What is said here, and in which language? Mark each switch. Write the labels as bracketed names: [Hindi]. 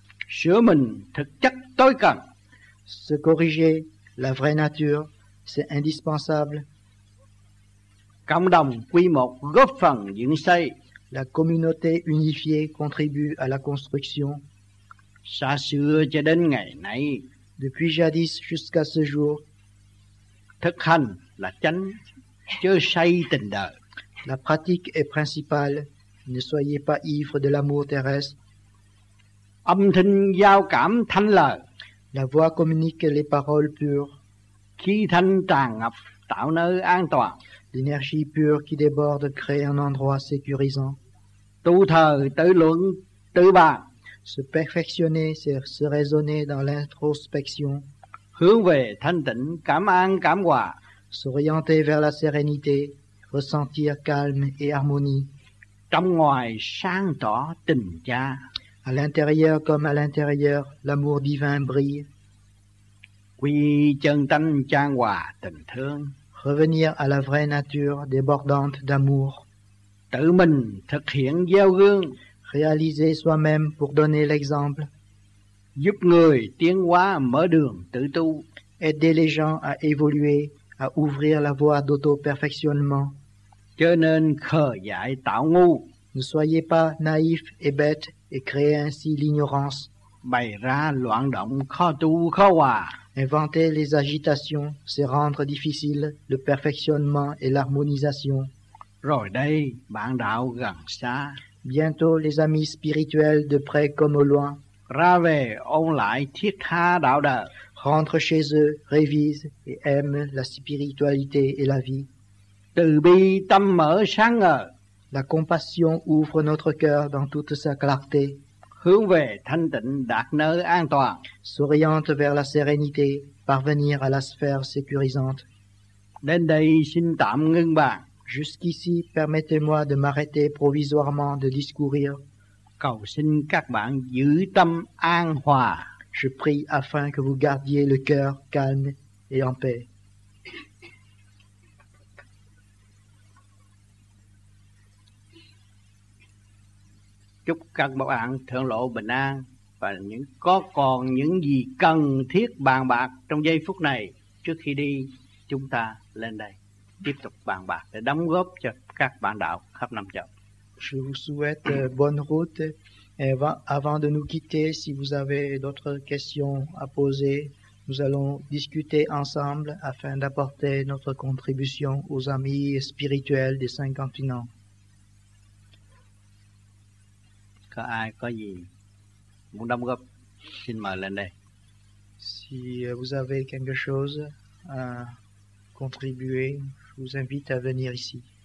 [Vietnamese] Sửa mình thực chất tối cần. [French] Se corriger, la vraie nature, c'est indispensable. [Vietnamese] Cộng đồng quy một góp phần dựng xây. [French] La communauté unifiée contribue à la construction. [Vietnamese] Xa xưa cho đến ngày nay. [French] Depuis jadis jusqu'à ce jour. [Vietnamese] Thực hành là chánh, chớ say tình đời. [French] La pratique est principale. Ne soyez pas ivre de l'amour terrestre. [Vietnamese] Âm thanh giao cảm thanh lời. [French] La voix communique les paroles pures. [Vietnamese] Khí thanh tràn ngập tạo nơi an toàn. [French] L'énergie pure qui déborde crée un endroit sécurisant. [Vietnamese] Tu thờ tự luận tự bàn. [French] Se perfectionner, c'est se raisonner dans l'introspection. [Vietnamese] Hướng về thanh tịnh, cảm an, cảm hòa. [French] S'orienter vers la sérénité, ressentir calme et harmonie. [Vietnamese] Trong ngoài sáng tỏ tình cha. [French] À l'intérieur comme à l'intérieur, l'amour divin brille. [Vietnamese] Quy chân tâm trang hòa tình thương. [French] Revenir à la vraie nature débordante d'amour. [Vietnamese] Tự mình thực hiện gieo gương. [French] Réaliser soi-même pour donner l'exemple. [Vietnamese] giúp người tiến hóa mở đường tự tu, [French] aider les gens à évoluer, à ouvrir la voie d'auto-perfectionnement. [Vietnamese] Cho nên khờ dại tạo ngu, [French] ne soyez pas naïf et bête et créez ainsi l'ignorance. [Vietnamese] Bày ra loạn động khó tu khó hòa, [French] inventer les agitations, c'est rendre difficile le perfectionnement et l'harmonisation. [Vietnamese] Rồi đây, bạn đạo gần xa, [French] bientôt les amis spirituels de près comme au loin, [Vietnamese] ra về ôn lại thiết tha đạo đời, [French] rentre chez eux, révise et aime la spiritualité et la vie. [Vietnamese] Từ bi tâm mở sáng ngờ, [French] la compassion ouvre notre cœur dans toute sa clarté. [Vietnamese] Hướng về thanh tịnh đạt nơi an toàn, [French] s'oriente vers la sérénité, parvenir à la sphère sécurisante. [Vietnamese] Đến đây xin tạm ngưng bàn, [French] jusqu'ici permettez-moi de m'arrêter provisoirement de discourir. [Vietnamese] Cầu xin các bạn giữ tâm an hòa, [French] je prie afin que vous gardiez le cœur calme et en paix. [Vietnamese] Chúc các bạn thượng lộ bình an và những có còn những gì cần thiết bàn bạc trong giây phút này trước khi đi, chúng ta lên đây tiếp tục bàn bạc để đóng góp cho các bạn đạo khắp năm châu. [French] Je vous souhaite bonne route et avant de nous quitter, si vous avez d'autres questions à poser, nous allons discuter ensemble afin d'apporter notre contribution aux amis spirituels des cinq continents. [Vietnamese] Có ai có gì muốn đóng góp xin mời lên đây. [French] Si vous avez quelque chose à contribuer, je vous invite à venir ici.